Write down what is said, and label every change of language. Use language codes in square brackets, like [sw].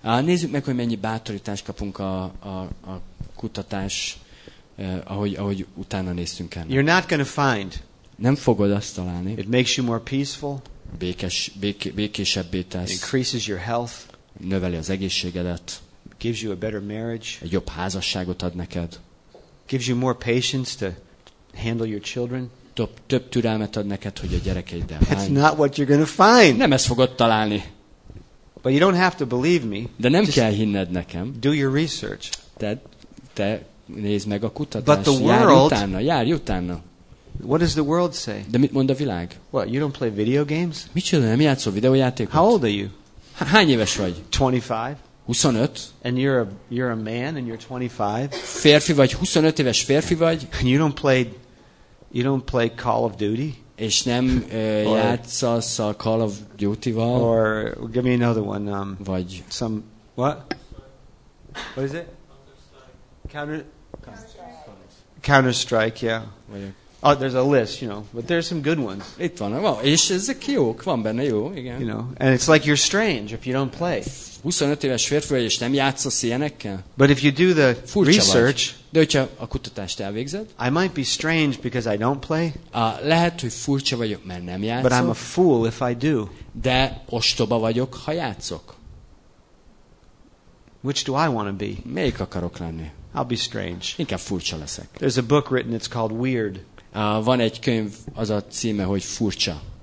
[hu] Nézzük meg, hogy mennyi bátorítást kapunk a kutatás, ahogy utána néztünk ennek. [en] You're not going to find. [hu] Nem fogod azt találni. [en] It makes you more peaceful. [hu] Békésebbé tesz. [en] Increases your health. [hu] Növeli az egészségedet. [en] Gives you a better marriage. [hu] Egy jobb házasságot ad neked. [en] Gives you more patience to handle your children. [hu] Több türelmet ad neked, hogy a gyerekeiddel bánj. [en] That's not what you're going to find. [hu] Nem ezt fogod találni. [en] But you don't have to believe me. [hu] De nem kell hinned nekem. [en] Do your research. [hu] Te nézd meg a kutatást. [en] But the world, [hu] járj utána. [en] What does the world say? [hu] De mit mond a világ? [en] What, you don't play video games? [hu] Mit csinál, nem játszol videójátékot? [en] How old are you? [hu] Hány éves vagy? [en] 25. [hu] 25. [en] And you're a man and you're 25. [hu] Férfi vagy, 25 éves férfi vagy. [en] And you don't play Call of Duty. [hu] És nem játszasz a Call of Duty-val. [en] Or give me another one. [hu] Vagy. [en] Some what? What is it? Counter Strike, yeah. [hu] Vagy. [en] Oh, there's a list, you know, but there's some good ones. [hu] Itt van, [en] well, [hu] és ezek jók, van benne jó, igen. [en] You know, and it's like you're strange if you don't play. [hu] 25 éves férfi vagy, és nem játszasz ilyenekkel? [en] But if you do the furcsa research, [hu] vagy. De hogyha a kutatást elvégzed? [en] I might be strange because I don't play. [hu] Lehet, hogy furcsa vagyok, mert nem játszok. [en] But I'm a fool if I do. [hu] De ostoba vagyok, ha játszok. [en] Which do I want to be? [hu] Melyik akarok lenni? [en] I'll be strange. [hu] Inkább furcsa leszek. [en] There's a book written, it's called Weird. [hu] Van egy könyv, az a címe, hogy Furcsa.